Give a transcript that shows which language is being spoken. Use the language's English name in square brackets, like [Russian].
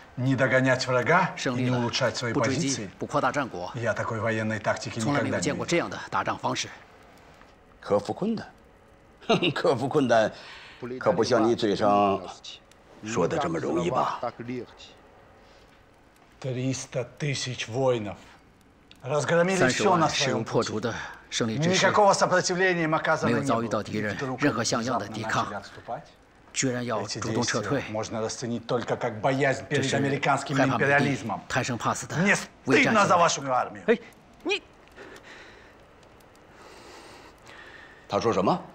[Russian] Не догонять врага и не улучшать свои позиции. [Chinese] 不扩大战果。 [Russian] Я такой военной тактики никогда не видел. [Chinese] 从来没有见过这样的打仗方式。克服困难，克服困难，可不像你嘴上说的这么容易吧？ [Russian] Триста тысяч воинов разгромили все на своем пути. Никакого сопротивления Маказа не было. [Chinese] 没有遭遇到敌人任何像样的抵抗。居然要主动撤退，这是害怕美帝贪生怕死的伪战行为。哎，你，他说什么？